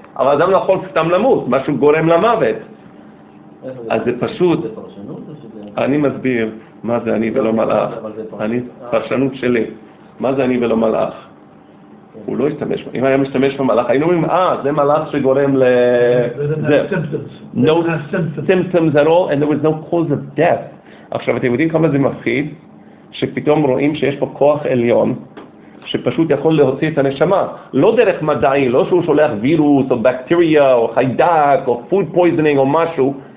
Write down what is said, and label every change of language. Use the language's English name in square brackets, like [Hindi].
[Hebrew] אבל אדם לא יכול סתם למות, משהו גורם למוות. אז זה פשוט, אני מסביר מה זה אני ולא מלאך. פרשנות שלי, מה זה אני ולא מלאך? הוא לא השתמש בה. אם היה משתמש במלאך, היינו אומרים, זה מלאך שגורם ל... זה symptoms. [English] No symptoms at all, and there was no cause of death. [Hebrew] עכשיו, אתם יודעים כמה זה מפחיד? שפתאום רואים שיש פה כוח עליון, שפשוט יכול להוציא את הנשמה. לא דרך מדעי, לא שהוא שולח וירוס, או בקטריה, או חיידק, או food poisoning, או משהו.